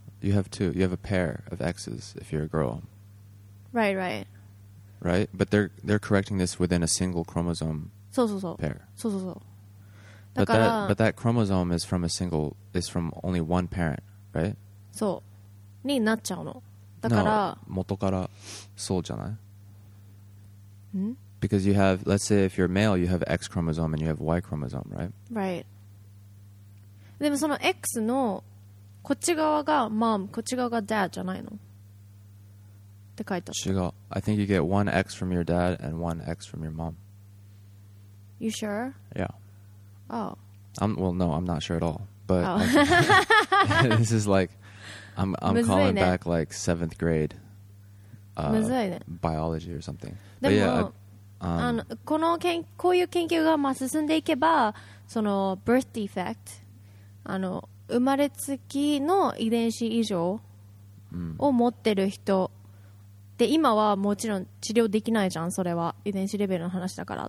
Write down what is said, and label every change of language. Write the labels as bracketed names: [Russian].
[English] You have a pair of X's if you're a girl. Right, right. Right? But they're correcting this within a single chromosome pair. So. But that chromosome is from a single, is from only one parent, right? [Japanese] So, になっちゃうの。だから、 no, 元からそうじゃない? [English] Because you have, let's say if you're male, you have X chromosome and you have Y chromosome, right? Right. [Japanese] でもその X のこっち側が Mom、 こっち側が Dad じゃないのって書いてあった。違う。 [English] I think you get one X from your dad and one X from your mom. You sure? Yeah. Oh. I'm not sure at all. But、oh. also, this is like I'm calling back like 7th grade、biology or something. [Japanese] でも、yeah, こういう研究がまあ進んでいけば、その birth defect、あの生まれつきの遺伝子異常を持ってる人で、今はもちろん治療できないじゃん、それは遺伝子レベルの話だから。